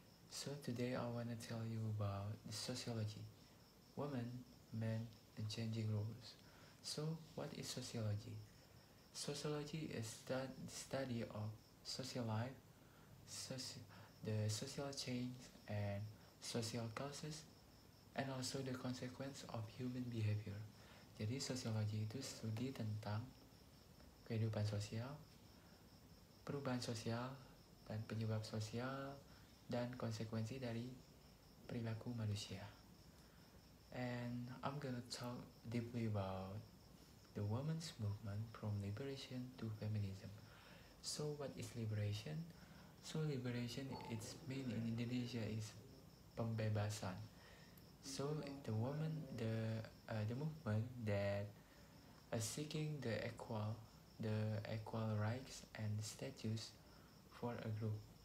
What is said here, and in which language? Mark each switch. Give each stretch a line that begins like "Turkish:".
English: So today I want to tell you about the sociology, women, men, and changing roles. So what is sociology? Sociology is the study of social life, the social change and social causes, and also the consequence of human behavior.
Indonesian: Jadi sosiologi itu studi tentang kehidupan sosial, perubahan sosial, dan penyebab sosial, dan konsekuensi dari perilaku manusia.
English: And I'm gonna talk deeply about the women's movement from liberation to feminism. So what is liberation? So liberation, its mean in Indonesia is pembebasan. So the movement that is seeking the equal rights and status for a group.